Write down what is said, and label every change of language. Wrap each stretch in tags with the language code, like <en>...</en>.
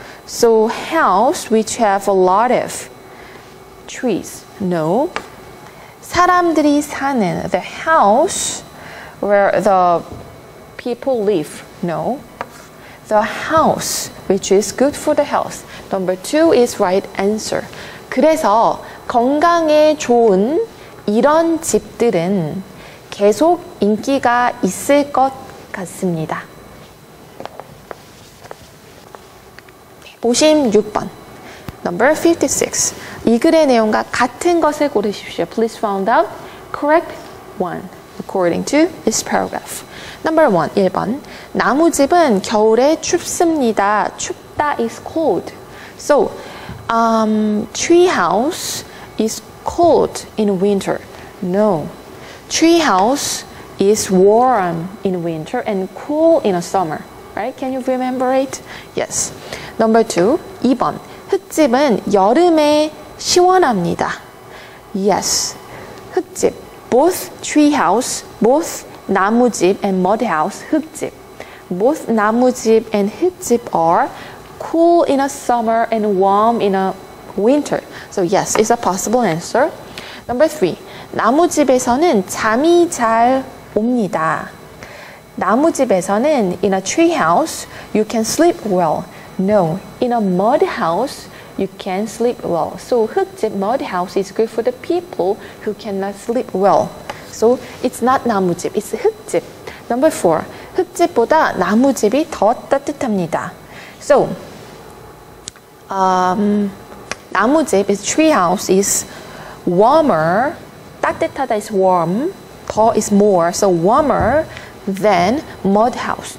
<en>So house which have a lot of trees. No.</en> <ko>사람들이 사는</ko> <en>the house where the people live. No. The house which is good for the health. Number 2 is right answer.</en> <ko>그래서 건강에 좋은 이런 집들은 계속 인기가 있을 것 같습니다. 56번.</ko> <en>Number 56.</en> <ko>이 글의 내용과 같은 것을 고르십시오.</ko> <en>Please find out correct one according to this paragraph. Number 1. 1번.</en> <ko>나무집은 겨울에 춥습니다.</ko> <en>춥다 is cold. So, treehouse is cold in winter. No. Treehouse is warm in winter and cool in the summer. Right? Can you remember it? Yes. Number 2. 2번.</en> <ko>흙집은 여름에 시원합니다.</ko> <en>Yes. 흙집. Both treehouse, both 나무집 and mudhouse, 흙집. Both 나무집 and 흙집 are cool in the summer and warm in the winter. So yes, it's a possible answer. Number 3.</en> <ko>나무집에서는 잠이 잘 옵니다. 나무집에서는</ko> <en>in a treehouse, you can sleep well. No, in a mudhouse, you can sleep well. So 흙집 mudhouse is good for the people who cannot sleep well. So it's not 나무집, it's 흙집. Number 4.</en> <ko>흙집보다 나무집이 더 따뜻합니다.</ko> <en>So, 나무집 is treehouse is warmer, 따뜻하다 is warm, 더 is more, so warmer than mud house.</en>